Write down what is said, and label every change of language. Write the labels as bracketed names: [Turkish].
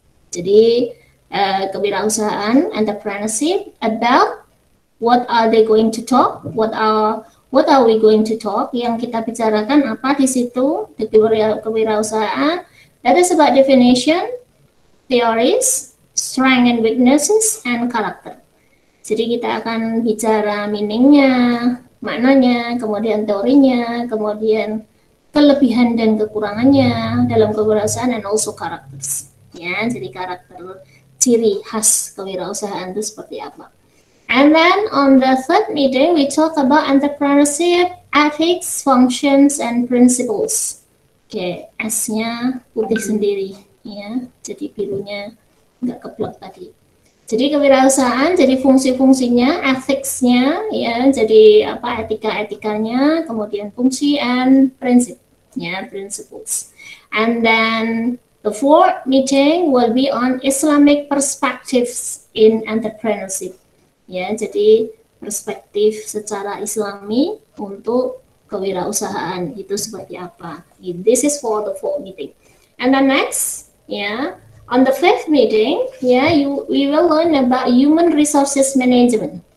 [Indonesian] Jadi kewirausahaan, [English] entrepreneurship, about what are they going to talk, what are we going to talk, [Indonesian] yang kita bicarakan apa di situ, [English] the kewirausahaan, that is about definition, theories, strength and weaknesses, and character. [Indonesian] Jadi kita akan bicara meaningnya, maknanya, kemudian teorinya, kemudian kelebihan dan kekurangannya dalam kewirausahaan, [English] and also characters, [Indonesian] ya, jadi karakter ciri khas kewirausahaan itu seperti apa. [English] And then on the third meeting we talk about entrepreneurship, ethics, functions, and principles. [Indonesian] Oke, okay, S-nya putih sendiri, ya, jadi birunya nggak keblok tadi. Jadi kewirausahaan, jadi fungsi-fungsinya, ethics-nya, ya, jadi apa etika-etikanya, kemudian fungsi and prinsipnya, principles. [English] And then the fourth meeting will be on Islamic perspectives in entrepreneurship. [Indonesian] Ya, jadi perspektif secara Islami untuk kewirausahaan itu seperti apa. [English] This is for the fourth meeting. And then next, ya. On the fifth meeting, yeah, we will learn about human resources management.